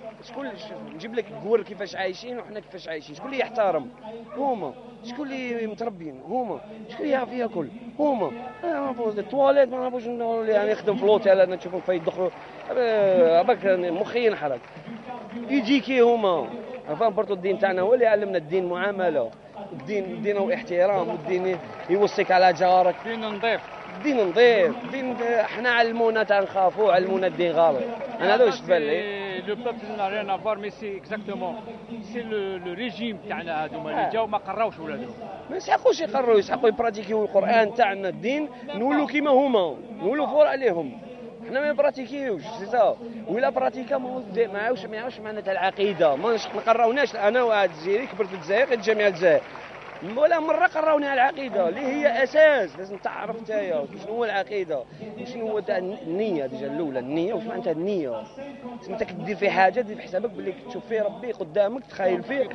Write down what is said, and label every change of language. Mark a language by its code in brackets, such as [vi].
[ar] شكون نجيب لك الكور كيفاش عايشين وحنا كيفاش عايشين شكون اللي يحترم هما شكون اللي متربيين هما شكون اللي يعرفيها كل هما انا ما نعرفوش التواليت ما نعرفوش يعني نخدم في لوطيال انا نشوفو فين يدخلوا هذاك مخي ينحرق يجي كي هما فهم برضو الدين تاعنا هو اللي علمنا الدين معامله الدين الدين واحترام والدين يوصيك على جارك دين نظيف دين نظيف دين احنا علمونا تاع نخافو علمونا الدين غالي انا هذا واش بان لي [fr] Le peuple n'a rien à voir, mais c'est exactement c'est le régime qui a été fait. Je ne sais pas [ar] ما يسحقوش يقروا يسحقوا يبراتيكيو القران تاعنا الدين نولوا كيما هما نولوا فور عليهم حنا ما يبراتيكيوش سي سا ولا براتيكا ماهوش ماهوش معناتها العقيده ما قراوناش انا وعاد الجزائري كبرت في الجزائر قريت جامعه الجزائر ولا مره قراونا العقيده اللي هي اساس لازم تعرف نتايا شنو هو العقيده وشنو هو النيه ديجا الاولى النيه واش معناتها النيه سمعتك دير في حاجه دير في حسابك بلي تشوف فيه ربي قدامك تخيل فيه